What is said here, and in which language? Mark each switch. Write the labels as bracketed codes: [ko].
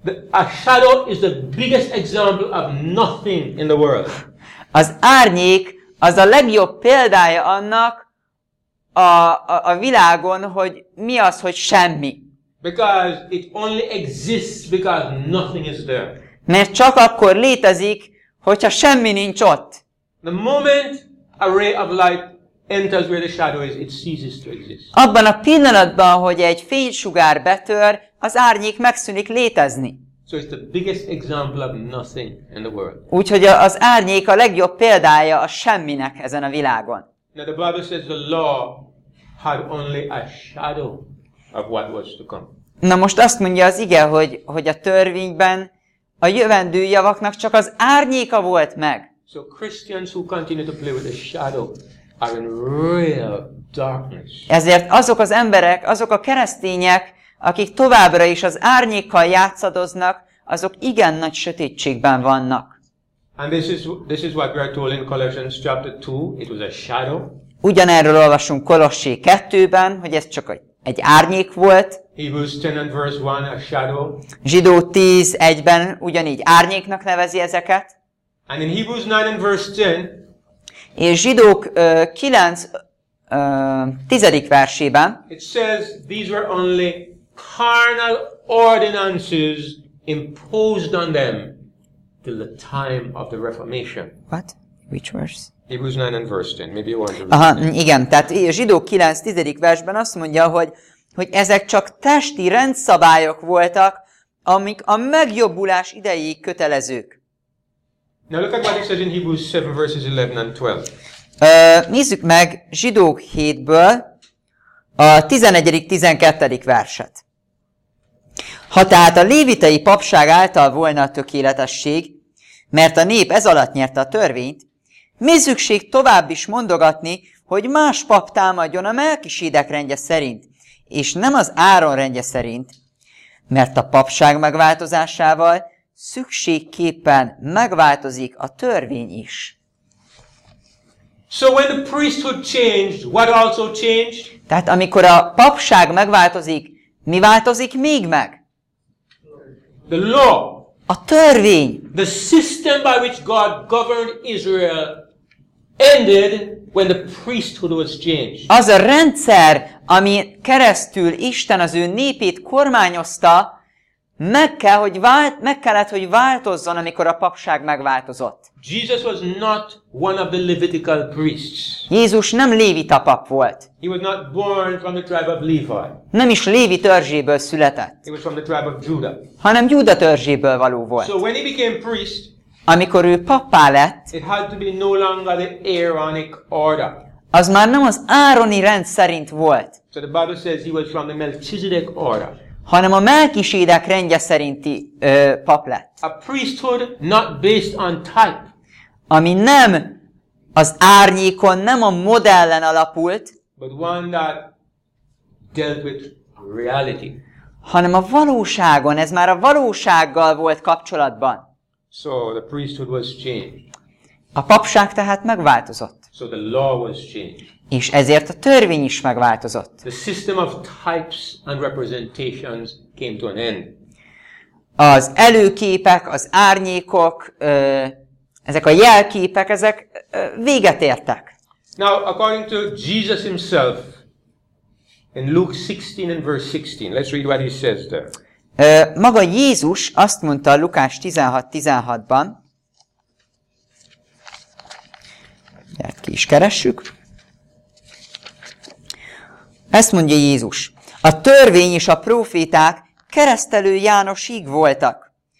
[en] A shadow is the biggest example of nothing in the world. [hu] Az árnyék az a legjobb példája annak a világon, hogy mi az, hogy semmi. [en] Because it only exists because nothing is there. [hu] Mert csak akkor létezik, hogyha semmi nincs ott. [en] The moment a ray of light enters where the shadow is, it ceases to exist. [hu] Abban a pillanatban, hogy egy fénysugár betör, az árnyék megszűnik létezni. [en] So it's the biggest example of nothing in the world. [hu] Úgyhogy az árnyék a legjobb példája a semminek ezen a világon. [en] Now the Bible says the law had only a shadow of what was to come. [hu] Na most azt mondja az ige, hogy a törvényben a jövendő javaknak csak az árnyéka volt meg. [en] So Christians who continue to play with the shadow are in real darkness. [hu] Ezért azok az emberek, azok a keresztények, akik továbbra is az árnyékkal játszadoznak, azok igen nagy sötétségben vannak. [en] And this is what we are told in Colossians chapter 2, it was a shadow. [hu] Ugyanerről olvasunk Kolossé 2-ben, hogy ez csak egy árnyék volt. [en] Hebrews 10 and verse 1, a shadow. [hu] Zsidó 10:1-ben ugyanígy árnyéknak nevezi ezeket. [en] And in Hebrews 9 and verse 10, [hu] és Zsidók 9, 10. versében, [en] it says these were only carnal ordinances imposed on them till the time of the Reformation. What? Which verse? Hebrews 9 and verse 10. Maybe you want to read. [hu] Aha, igen, tehát Zsidók 9, 10. versben azt mondja, hogy ezek csak testi rendszabályok voltak, amik a megjobbulás idejéig kötelezők. [en] Now look at what it says in Hebrews 7, verses 11 and 12. [hu] Nézzük meg Zsidók 7-ből a 11. 12. verset. Ha tehát a lévitai papság által volna a tökéletesség, mert a nép ez alatt nyerte a törvényt, mi szükség tovább is mondogatni, hogy más pap támadjon a Melkisédek rendje szerint, és nem az Áron rendje szerint, mert a papság megváltozásával szükségképpen megváltozik a törvény is. [en] So when the priesthood changed, what also changed? [hu] Tehát amikor a papság megváltozik, mi változik még meg? [en] The law. [hu] A törvény. [en] The system by which God governed Israel ended when the priesthood was changed. [hu] Az a rendszer, ami keresztül Isten az ő népét kormányozta, meg kellett, hogy változzon, amikor a papság megváltozott. [en] Jesus was not one of the Levitical priests. [hu] Jézus nem lévita pap volt. [en] He was not born from the tribe of Levi. [hu] Nem is lévi törzséből született. [en] He was from the tribe of Judah. [hu] Hanem Júda törzséből való volt. [en] So when he became priest, [hu] amikor ő pappá lett, [en] it had to be no longer the Aaronic order. [hu] Az már nem az Aaroni rend szerint volt. [en] So the Bible says he was from the Melchizedek order. [hu] Hanem a Melkisédek rendje szerinti pap lett. [en] A priesthood not based on type. [hu] Ami nem az árnyékon, nem a modellen alapult, [en] but one that dealt with reality. [hu] Hanem a valóságon, ez már a valósággal volt kapcsolatban. [en] So the priesthood was changed. [hu] A papság tehát megváltozott. [en] So the law was changed. [hu] És ezért a törvény is megváltozott. [en] The system of types and representations came to an end. [hu] Az előképek, az árnyékok, ezek a jelképek, ezek véget értek. [en] Now, according to Jesus himself, in Luke 16 and verse 16, let's read what he says there. [hu] Maga Jézus azt mondta Lukás 16:16-ban, mert ki is keressük, ezt mondja Jézus. A törvény és a próféták keresztelő Jánosig voltak.